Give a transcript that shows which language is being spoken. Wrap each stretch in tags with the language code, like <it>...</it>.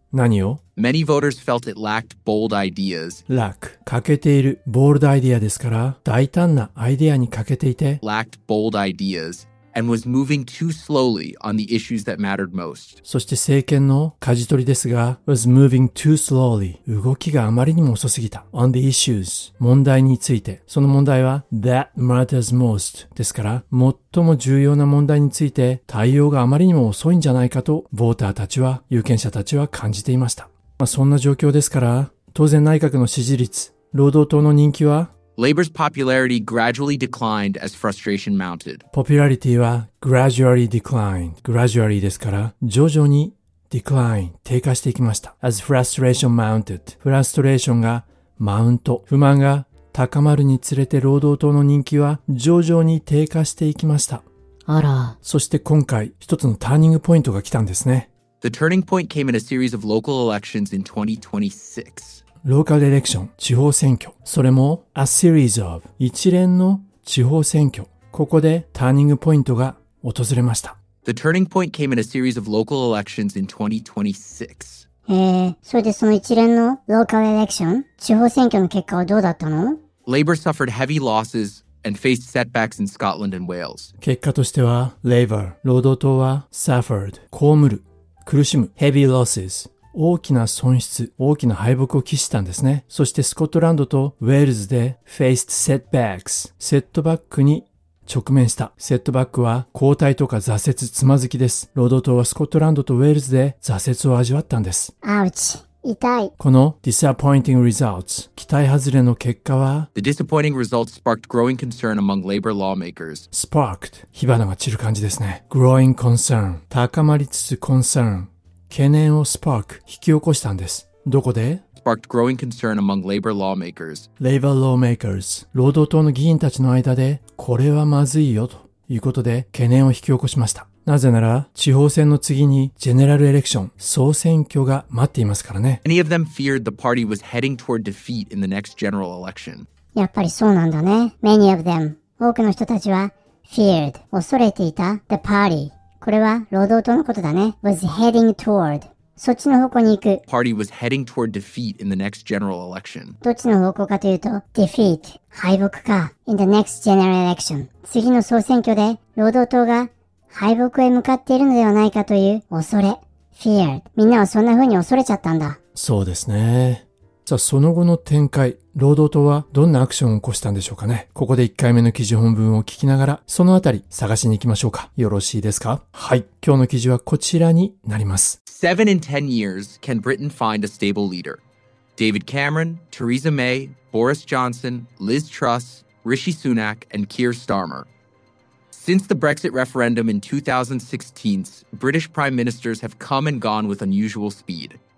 <ja>何を?</ja> <en>Many voters felt it lacked bold ideas. Lack.</en> <ja>欠けている</ja> <en>bold idea</en> <ja>ですから、大胆なアイデアに欠けていて、</ja> <en>lacked bold ideas and was moving too slowly on the issues that mattered most.</en> <ja>そして政権の舵取りですが、</ja> <en>was moving too slowly.</en> <ja>動きがあまりにも遅すぎた。</ja> <en>on the issues.</en> <ja>問題について。その問題は、</ja> <en>that matters most.</en> <ja>ですから、最も重要な問題について、対応があまりにも遅いんじゃないかと、ボーターたちは、有権者たちは感じていました。まあそんな状況ですから、当然内閣の支持率、労働党の人気は、</ja> <en>Labour's popularity gradually declined as frustration mounted. Popularity は gradually declined.</en> <ja>Gradually ですから、徐々に decline、低下していきました。</ja> <en>As frustration mounted.</en> <ja>フラストレーションがマウント。不満が高まるにつれて労働党の人気は徐々に低下していきました。あら。そして今回、一つのターニングポイントが来たんですね。</ja> <en>The turning point came in a series of local elections in 2026. Local election,</en> <ja>地方選挙。それも、</ja> <en>a series of,</en> <ja>一連の地方選挙。ここで、ターニングポイントが訪れました。</ja> <en>The turning point came in a series of local elections in 2026.</en> <ja>それでその一連の</ja> <en>local election,</en> <ja>地方選挙の結果はどうだったの?</ja> <en>Labour suffered heavy losses and faced setbacks in Scotland and Wales.</en> <ja>結果としては、Labour, 労働党は suffered, 被る。苦しむ</ja> <en>heavy losses</en> <ja>大きな損失大きな敗北を喫したんですねそしてスコットランドとウェールズで</ja> <en>faced setbacks</en> <ja>セットバックに直面したセットバックは後退とか挫折つまずきです労働党はスコットランドとウェールズで挫折を味わったんですアウチ痛いこの</ja> <en>disappointing results</en> <ja>期待外れの結果は</ja> <en>The disappointing results sparked growing concern among labor lawmakers</en> <ja>Sparked 火花が散る感じですね</ja> <en>Growing concern</en> <ja>高まりつつ concern 懸念を spark 引き起こしたんですどこで</ja> <en>Sparked growing concern among labor lawmakers Labor lawmakers</en> <ja>労働党の議員たちの間でこれはまずいよということで懸念を引き起こしましたなぜなら地方選の次にジェネラルエレクション総選挙が待っていますからね。</ja> <en>Many of them feared the party was heading toward defeat in the next general election.</en> <ja>やっぱりそうなんだね。</ja> <en>Many of them</en> <ja>多くの人たちは feared 恐れていた</ja> <en>the party</en> <ja>これは労働党のことだね。</ja> <en>Was heading toward</en> <ja>そっちの方向に行く。</ja> <en>Party was heading toward defeat in the next general election.</en> <ja>どっちの方向かというと defeat 敗北か</ja> <en>in the next general election</en> <ja>次の総選挙で労働党が敗北へ向かっているのではないかという恐れ。</ja> <en>Feared.</en> <ja>みんなはそんな風に恐れちゃったんだ。そうですね。じゃあその後の展開、労働党はどんなアクションを起こしたんでしょうかね。ここで1回目の記事本文を聞きながら、そのあたり探しに行きましょうか。よろしいですか?はい。今日の記事はこちらになります。</ja> <en>7 in 10 years, can Britain find a stable leader? David Cameron, Theresa May, Boris Johnson, Liz Truss, Rishi Sunak, and Keir Starmer. Since the Brexit referendum in 2016, British prime ministers have come and gone with unusual speed.</en>